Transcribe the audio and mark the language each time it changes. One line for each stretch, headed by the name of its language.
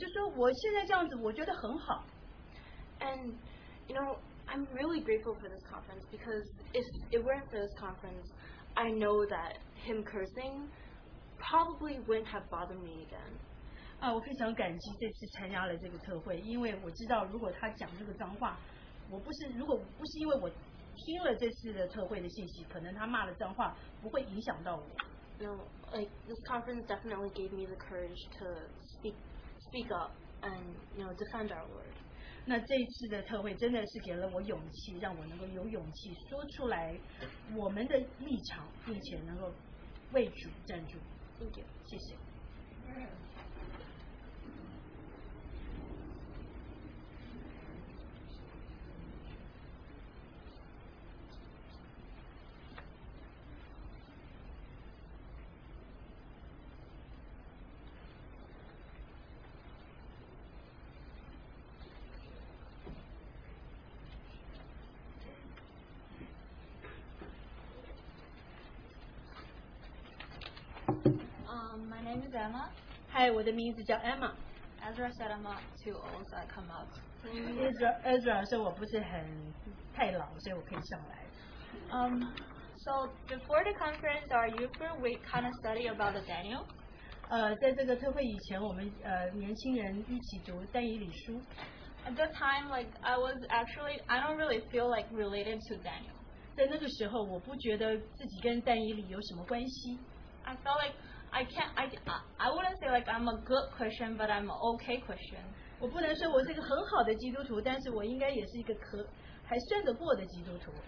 Chinese: 那我吓了一跳，但是我过了一会儿，我才想到怎么回他。我就说我现在这样子，我觉得很好。
English: And you know, I'm really grateful for this conference because if it weren't for this conference, I know that him cursing probably wouldn't have bothered me again.
Chinese: 啊，我非常感激这次参加了这个特会，因为我知道，如果他讲这个脏话，如果不是因为我听了这次的特会的信息，可能他骂了脏话，不会影响到我。
English: No, like this conference definitely gave me the courage to speak up and you know defend our Lord.
Chinese: 那这次的特会真的是给了我勇气，让我能够有勇气说出来我们的立场，并且能够为主站住。
English: Thank you.
Chinese: 谢谢。
English: My name is Emma.
Chinese: Hi, 我的名字叫 Emma.
English: Ezra said I'm not too old, so I come out.
Chinese: Ezra 说我不是太老，所以我可以上来。
English: So before the conference, our youth group we kind of study about the Daniel.
Chinese: 在这个特会以前，我们年轻人一起读但以理书。
English: At that time, like I was actually, I don't really feel like related to Daniel.
Chinese: 在那个时候，我不觉得自己跟但以理有什么关系。
English: I felt like I wouldn't say like I'm a good Christian, but I'm an okay Christian.
Chinese: 我不能说我是一个很好的基督徒，但是我应该也是一个还算得过的基督徒.